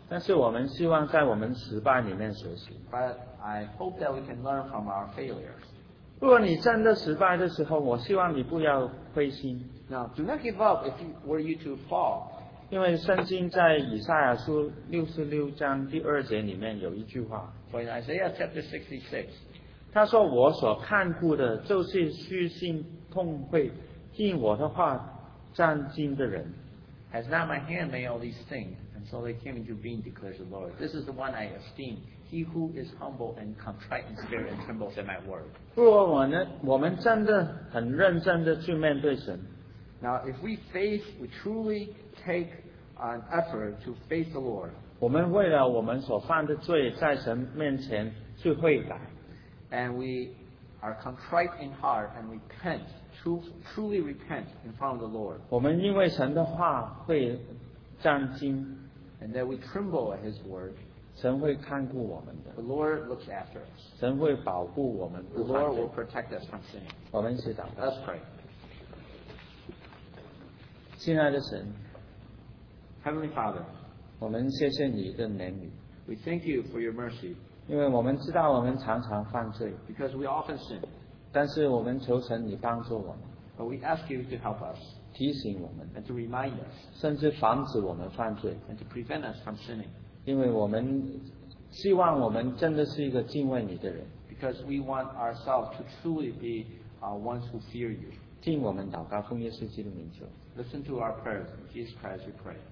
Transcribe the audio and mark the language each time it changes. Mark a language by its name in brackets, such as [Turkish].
[Chinese] 但是我们希望在我们失败里面学习。 [English] But I hope that we can learn from our failures. [Chinese] 如果你真的失败的时候，我希望你不要灰心。 [English] Now, do not give up if were you to fall. [Chinese] 因为圣经在以赛亚书66章第二节里面有一句话。 [English] For in Isaiah chapter 66, [Chinese] 他说我所看顾的就是虚心痛悔听我的话站经的人。 [English] Has not my hand made all these things, and so they came into being, declares the Lord. This is the one I esteem, he who is humble and contrite in spirit and trembles at my word. [Chinese] 如果我们真的很认真地去面对神。 [English] Now, if we face, we truly take an effort to face the Lord, [Chinese] 我们为了我们所犯的罪在神面前去悔改。 [English] And we are contrite in heart and repent, truly repent in front of the Lord. [Chinese] 我们因为神的话会战惊 [English] And that we tremble at his word. [Chinese] 神会看顾我们的 [English] The Lord looks after us. [Chinese] 神会保护我们 [English] The Lord will protect us from sin. [Chinese] 我们祈祷 [English] Let's pray. [Chinese] 亲爱的神 [English] Heavenly Father. [Chinese] 我们谢谢你的怜悯 [English] We thank you for your mercy. [Chinese] 因为我们知道我们常常犯罪 [English] Because we often sin. [Chinese] 但是我们求神你帮助我们 [English] But we ask you to help us. [Chinese] 提醒我们 [English] And to remind us. [Chinese] 甚至防止我们犯罪 [English] And to prevent us from sinning. [Chinese] 因为我们希望我们真的是一个敬畏你的人 [English] Because we want ourselves to truly be ones who fear you. [Chinese] 听我们祷告奉耶稣基督的名求 [English] Listen to our prayers. In Jesus Christ we pray.